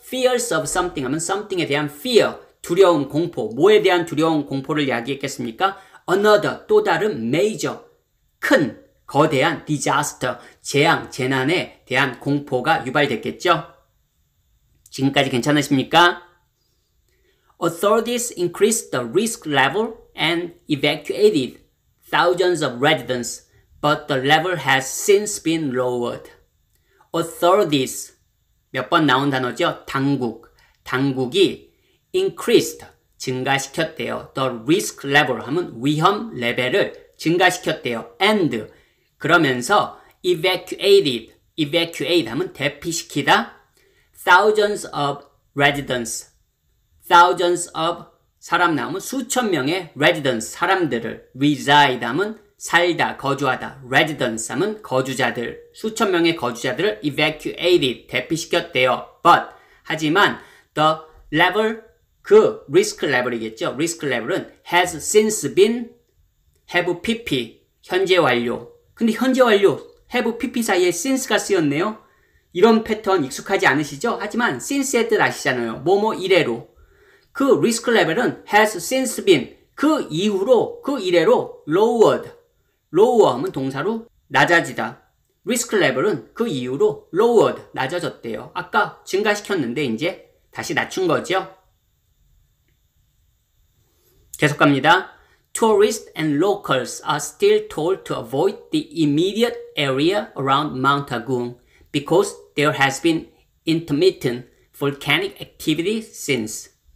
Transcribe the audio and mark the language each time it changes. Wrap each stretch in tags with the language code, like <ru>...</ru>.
<en>fears of something</en> <ko>하면 something에 대한 fear, 두려움, 공포. 뭐에 대한 두려움, 공포를 야기했겠습니까? another, 또 다른 major, 큰, 거대한 disaster, 재앙, 재난에 대한 공포가 유발됐겠죠. 지금까지 괜찮으십니까?</ko> <en>Authorities increased the risk level and evacuated thousands of residents, but the level has since been lowered.</en> <ko>Authorities, 몇번 나온 단어죠? 당국. 당국이 increased, 증가시켰대요.</ko> <en>The risk level</en> <ko>하면 위험 레벨을 증가시켰대요. And, 그러면서 evacuated, evacuate 하면 대피시키다.</ko> <en>Thousands of residents.</en> <ko>Thousands of 사람 나오면 수천 명의 residents 사람들을 reside 하면 살다 거주하다 residents 하면 거주자들 수천 명의 거주자들을 evacuated 대피시켰대요. But 하지만</ko> <en>the level</en> <ko>그 risk level이겠죠. risk level은</ko> <en>has since been</en> <ko>have pp 현재 완료. 근데 현재 완료 have pp 사이에 since가 쓰였네요. 이런 패턴 익숙하지 않으시죠? 하지만 since의 뜻 아시잖아요. 뭐뭐 이래로. 그 risk level은</ko> <en>has since been</en> <ko>그 이후로 그 이래로 lowered. lower 하면 동사로 낮아지다. risk level은 그 이후로 lowered 낮아졌대요. 아까 증가시켰는데 이제 다시 낮춘 거죠. 계속 갑니다.</ko> <en>Tourists and locals are still told to avoid the immediate area around Mount Agung because there has been intermittent volcanic activity since.</en>